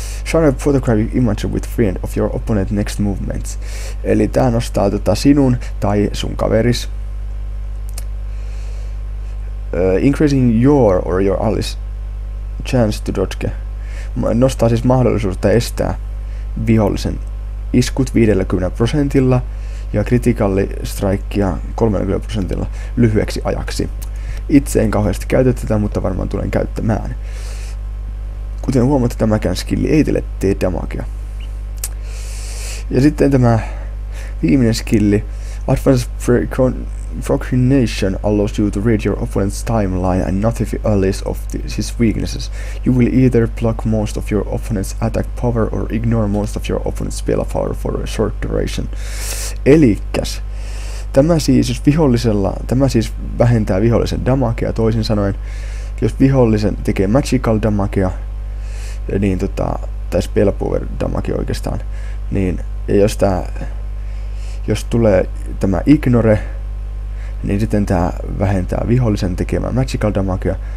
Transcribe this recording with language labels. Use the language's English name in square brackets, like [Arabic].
[English] Share a photographic image with friend of your opponent next movements. [Finnish] Eli tää nostaa sinun tai sun kaveris. [English] Increasing your or your allies chance to dodge. [Finnish] Nostaa siis mahdollisuutta estää vihollisen iskut 50% ja critical strikea 30% lyhyeksi ajaksi. Itse en kauheasti käytä tätä, mutta varmaan tulen käyttämään. Kuten huomaatte, tämäkään skilli ei teille tee damagea. Ja sitten tämä viimeinen skilli. [English] Advanced Procrastination allows you to read your opponent's timeline and notify allies of his weaknesses. You will either block most of your opponent's attack power or ignore most of your opponent's spell power for a short duration. [Finnish] Elikkäs, tämä siis vähentää vihollisen damagea, toisin sanoen, jos vihollisen tekee magical damagea, niin tai spell power damage oikeastaan, niin jos tulee tämä ignore, niin sitten tämä vähentää vihollisen tekemää magical damagea.